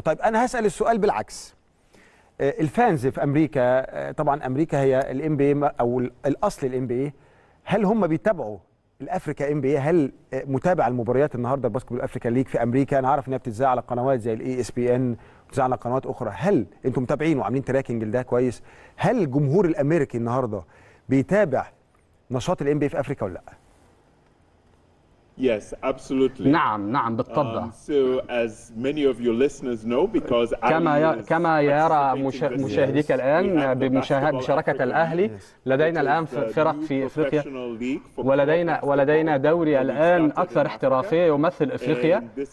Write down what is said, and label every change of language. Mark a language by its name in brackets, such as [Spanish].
[Arabic] طيب أنا هسأل السؤال بالعكس، الفانز في أمريكا، طبعا أمريكا هي الـ NBA أو الأصل الـ NBA، هل هم بيتابعوا الأفريكا NBA؟ هل متابع المباريات النهاردة [English] الباسكتبول African league [Arabic] في أمريكا؟ أنا عارف إنها بتتذاع على قنوات زي الـ ESPN وتتذاع على قنوات أخرى، هل أنتم متابعين وعاملين تراكنج لده كويس؟ هل الجمهور الأمريكي النهاردة بيتابع نشاط الـ NBA في أفريقيا ولا لأ؟ [English] Yes, absolutely. [Arabic] نعم بالطبع. [English] So as many of your listeners know, because [Arabic] كما يرى مشاهديك الآن بمشاركة الأهلي، لدينا الآن فرق في أفريقيا، ولدينا دوري الآن أكثر احترافية يمثل أفريقيا.